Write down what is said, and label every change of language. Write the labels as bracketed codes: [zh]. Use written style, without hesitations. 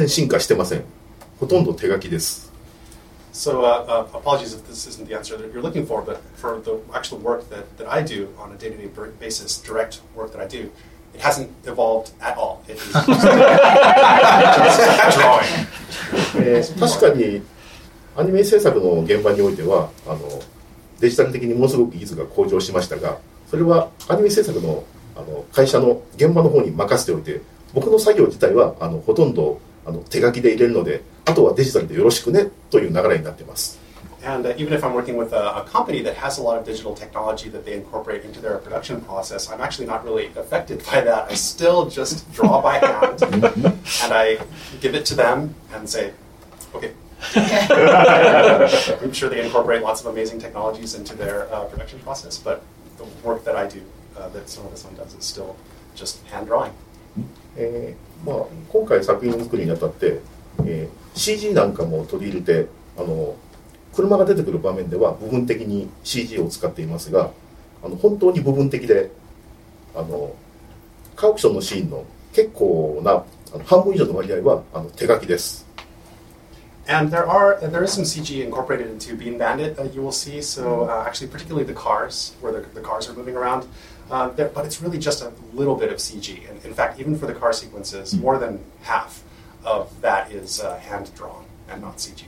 [ja] すいません。僕が直接やってる作業に関しては全然進化してません。ほとんど手書きです。 [en] So apologies if this isn't the answer that you're looking for, but for the actual work that I do on a day-to-day basis, direct work that I do, it hasn't evolved at all. It's just drawing. [ja] 確かに アニメ制作の現場においては、デジタル的にものすごく技術が向上しましたが、それはアニメ制作の会社の現場の方に任せておいて、僕の作業自体は、ほとんど手書きで入れるので、あとはデジタルでよろしくねという流れになっています。 [en] And even if I'm working with a company that has a lot of digital technology that they incorporate into their production process, I'm actually not really affected by that. I still just draw by hand, and I give it to them and say, okay. I'm sure they incorporate lots of amazing technologies into their production process, but the work that I do, that some of the sun does, is still just hand drawing. [ja] まあ今回作品作りにあたって、CGなんかも取り入れて、車が出てくる場面では部分的に CGを使っていますが、本当に部分的で、カオクションのシーンの結構な半分以上の割合は手書きです。 [en] And there are there is some CG incorporated into Bean Bandit, you will see. So actually, particularly the cars, where the cars are moving around. But it's really just a little bit of CG. And in fact, even for the car sequences, more than half of that is hand-drawn and not CG.